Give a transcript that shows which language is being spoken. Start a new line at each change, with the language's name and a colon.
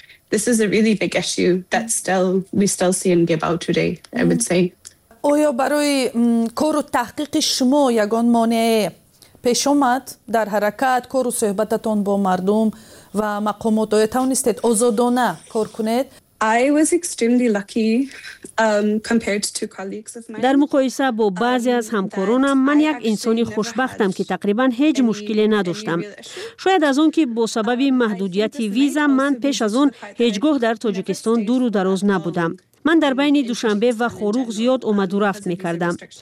English: This is a really big issue that still we see and give out today, I would say.
Persian: آیا برای کار و تحقیق شما یکان مانع پیش آمد در حرکت، کار و صحبتتان با مردم و مقامات آیا توانستید آزادانه کار کنید؟
English: I was extremely lucky compared to colleagues of mine.
Persian: در مقایسه با بعضی از همکارانم من یک انسانی خوشبختم که تقریبا هیچ مشکلی نداشتم. شاید از اون که با سبب محدودیت ویزا من پیش از اون هیچگاه در تاجیکستان دور و دراز نبودم. من در بین دوشنبه و خوروغ زیاد اومد و رفت میکردم.